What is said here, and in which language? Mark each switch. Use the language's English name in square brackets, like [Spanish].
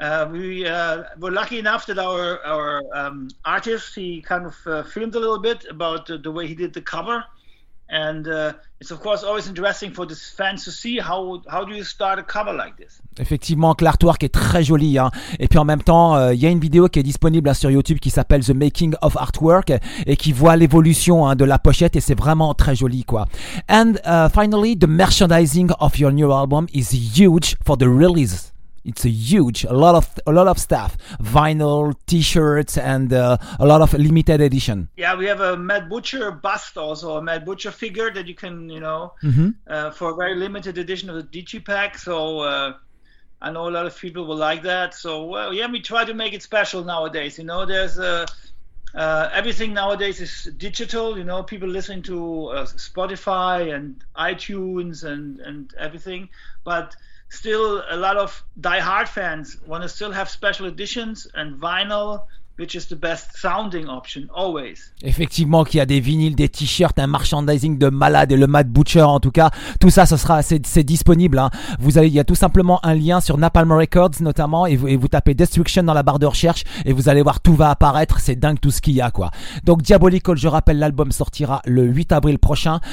[English] We were lucky enough that our artist, he kind of filmed a little bit about the way he did the cover. And it's of course always interesting for this fans to see how do you start a cover like this. [French] Effectivement, que l'artwork est très joli, hein. Et puis en même temps, il y a une vidéo qui est disponible sur YouTube qui s'appelle The Making of Artwork et qui voit l'évolution, hein, de la pochette, et c'est vraiment très joli, quoi. [English] And finally, the merchandising of your new album is huge for the release. It's a huge, a lot of stuff, vinyl, t-shirts, and a lot of limited edition. Yeah, we have a Matt Butcher bust, also a Matt Butcher figure that you can, you know, mm-hmm. For a very limited edition of the Digipack. So I know a lot of people will like that. So yeah, we try to make it special nowadays. You know, there's everything nowadays is digital. You know, people listening to Spotify and iTunes and everything, but still a lot of diehard fans want to still have special editions and vinyl, which is the best sounding option always. [French] Effectivement, qu'il y a des vinyles, des t-shirts, un merchandising de malade, et le Matt Butcher, en tout cas, tout ça, c'est disponible, hein. Vous allez, il y a tout simplement un lien sur Napalm Records notamment, et vous tapez Destruction dans la barre de recherche et vous allez voir, tout va apparaître. C'est dingue tout ce qu'il y a, quoi. Donc Diabolical, je rappelle, l'album sortira le 8 avril prochain.